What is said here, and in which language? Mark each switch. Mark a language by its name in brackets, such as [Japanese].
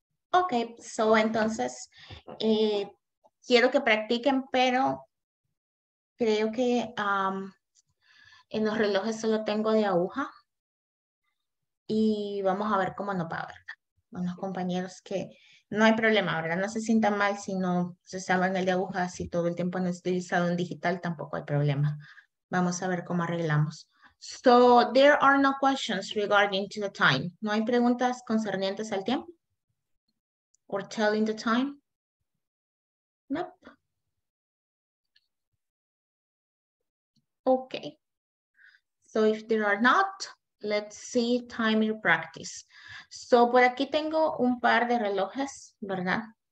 [Spanish] Ok, so entonces, quiero que practiquen, pero creo que en los relojes solo tengo de aguja. Y vamos a ver cómo nos va, ¿verdad? Con los compañeros que no hay problema, ¿verdad? No se sientan mal si no se saben el de aguja. Si todo el tiempo han utilizado un digital, tampoco hay problema. Vamos a ver cómo arreglamos. [English] So, there are no questions regarding to the time. [Spanish] ¿No hay preguntas concernientes al tiempo? [English] Or telling the time? Nope. Okay. So if there are not, let's see time in practice. [Spanish] So por aquí tengo un par de relojes, ¿verdad?